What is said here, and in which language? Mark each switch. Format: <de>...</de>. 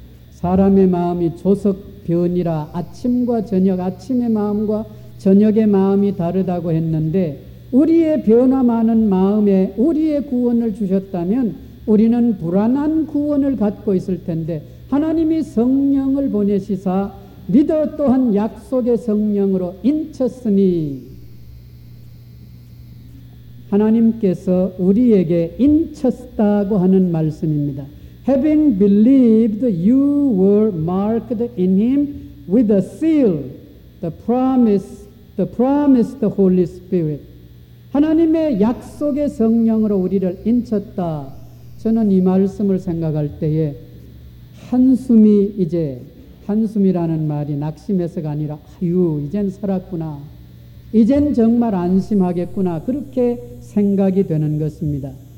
<ko>사람의 마음이 조석변이라 아침과 저녁, 아침의 마음과 저녁의 마음이 다르다고 했는데 우리의 변화 많은 마음에 우리의 구원을 주셨다면 우리는 불안한 구원을 갖고 있을 텐데 하나님이 성령을 보내시사 믿어 또한 약속의 성령으로 인쳤으니 하나님께서 우리에게 인쳤다고 하는 말씀입니다.</ko> <en>Having believed, you were marked in him with a seal, the promise, the Holy Spirit.</en> <ko>하나님의 약속의 성령으로 우리를 인쳤다. 저는 이 말씀을 생각할 때에 한숨이라는 말이 낙심해서가 아니라 아유 이젠 살았구나 이젠 정말 안심하겠구나 그렇게 생각이 되는 것입니다.</ko>